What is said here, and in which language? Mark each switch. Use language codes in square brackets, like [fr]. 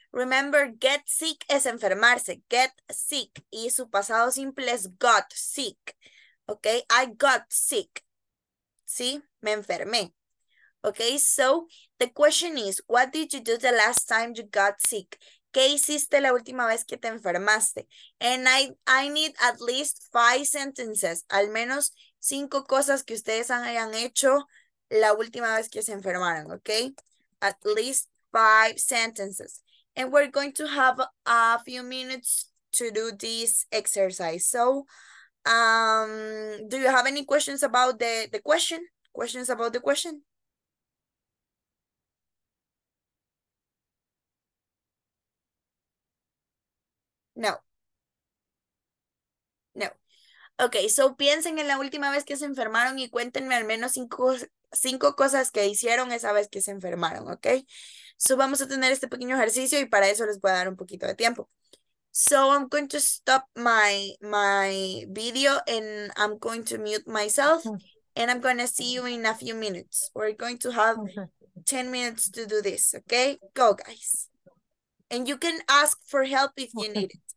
[en] Remember, get sick [es] es enfermarse. [en] Get sick. [es] Y su pasado simple es got sick. Okay? [en] I got sick. ¿Sí? [es] Me enfermé. [en] Okay? So, the question is, what did you do the last time you got sick? [es] ¿Qué hiciste la última vez que te enfermaste? [en] And I need at least 5 sentences. [es] Al menos 5 cosas que ustedes hayan hecho la última vez que se enfermaron. [en] Okay? At least 5 sentences. And we're going to have a few minutes to do this exercise. So Do you have any questions about the question? Questions about the question? No. No. [es] Okay, so piensen en la última vez que se enfermaron y cuéntenme al menos cinco cosas que hicieron esa vez que se enfermaron, okay? So vamos a tener este pequeño ejercicio y para eso les voy a dar un poquito de tiempo. [en] So I'm going to stop my video and I'm going to mute myself and I'm going to see you in a few minutes. We're going to have 10 minutes to do this, okay? Go, guys. And you can ask for help if you need it.